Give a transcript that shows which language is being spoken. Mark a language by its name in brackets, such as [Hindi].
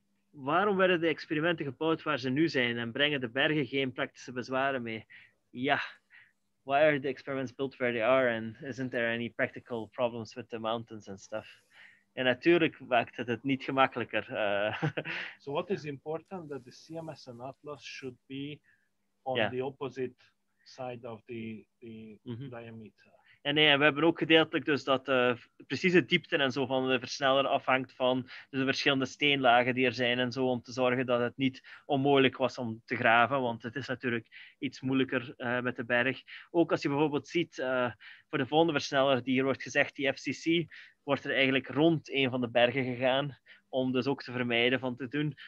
[Dutch] Waarom werden de experimenten gebouwd waar ze nu zijn en brengen de bergen geen praktische bezwaren mee? Ja. [English] Why are the experiments built where they are and isn't there any practical problems with the mountains and stuff? [Dutch] Ja, natuurlijk maakt het het niet gemakkelijker. [English] So what is important that the CMS and Atlas should be on the opposite side of the diameter. [Dutch] Ja, nee, we hebben ook gedeeltelijk dus dat de precieze diepte en zo van de versneller afhangt van de verschillende steenlagen die er zijn en zo, om te zorgen dat het niet onmogelijk was om te graven, want het is natuurlijk iets moeilijker met de berg. Ook als je bijvoorbeeld ziet, voor de volgende versneller die hier wordt gezegd, die FCC, wordt er eigenlijk rond een van de bergen gegaan, om dus ook te vermijden van te doen.